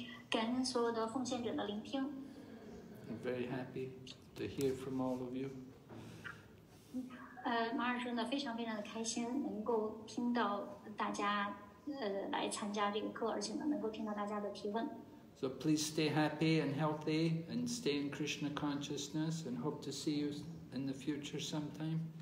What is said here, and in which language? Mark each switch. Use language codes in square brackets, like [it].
[zh] 感恩所有的奉献者的聆听。 [en] I'm very happy to hear from all of you. [zh] 马尔真的非常非常的开心，能够听到大家来参加这个课，而且呢，能够听到大家的提问。 [en] So please stay happy and healthy and stay in Krishna consciousness and hope to see you in the future sometime.